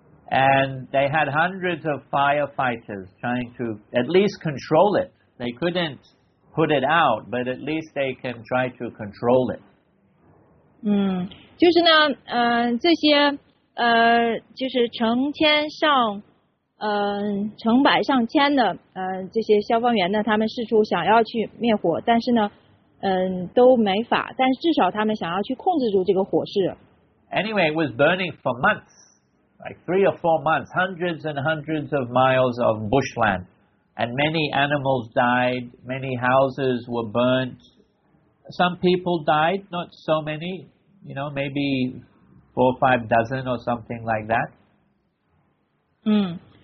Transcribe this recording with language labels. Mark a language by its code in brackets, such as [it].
[en] And they had hundreds of firefighters trying to at least control it. They couldn't put it out, but at least they can try to control it. [zh] 就是呢，这些就是成千上成百上千的这些消防员呢，他们试图想要去灭火，但是呢，都没法。但至少他们想要去控制住这个火势。 [en] Anyway, it was burning for months. Like 3 or 4 months, hundreds and hundreds of miles of bushland, and many animals died, many houses were burnt. Some people died, not so many, you know, maybe 4 or 5 dozen or something like that.